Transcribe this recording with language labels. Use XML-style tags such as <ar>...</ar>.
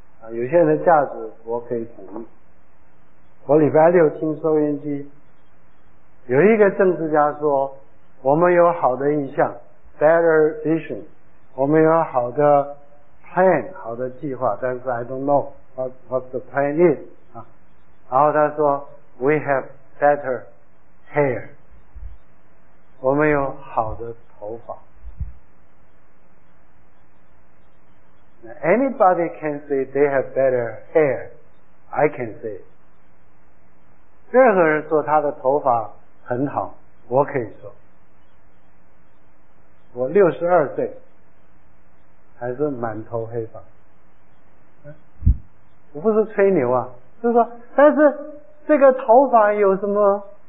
<zh>有些人的价值我可以同意。我礼拜六听收音机，有一个政治家说，我们有好的意向 ，</zh> <en>better vision，</en> <zh>我们有好的 plan， 好的计划，但是</zh> <en>I don't know what the plan is</en> <zh>啊。然后他说 ，</zh> <en>we have better hair，</en> <zh>我们有好的头发。</zh> <en>Anybody can say they have better hair. I can say.</en> <zh>任何人说他的头发很好，我可以说。我62岁，还是满头黑发。我不是吹牛啊，就是说，但是这个头发有什么？</zh>